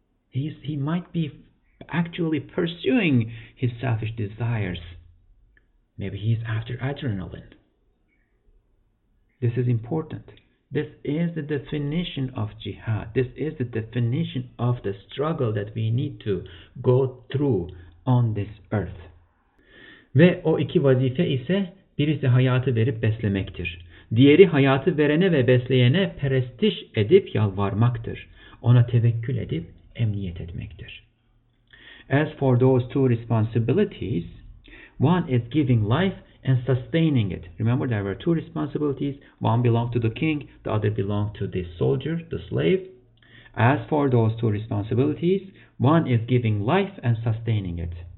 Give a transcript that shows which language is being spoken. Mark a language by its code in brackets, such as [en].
[en] He might be actually pursuing his selfish desires. Maybe he's after adrenaline. This is important. This is the definition of jihad. This is the definition of the struggle that we need to go through on this earth. [tr] Ve o iki vazife ise birisi hayatı verip beslemektir. Diğeri hayatı verene ve besleyene prestij edip yalvarmaktır. Ona tevekkül edip emniyet etmektir. [en] As for those two responsibilities, one is giving life and sustaining it. Remember, there were two responsibilities. One belonged to the king, the other belonged to the soldier, the slave. As for those two responsibilities, one is giving life and sustaining it.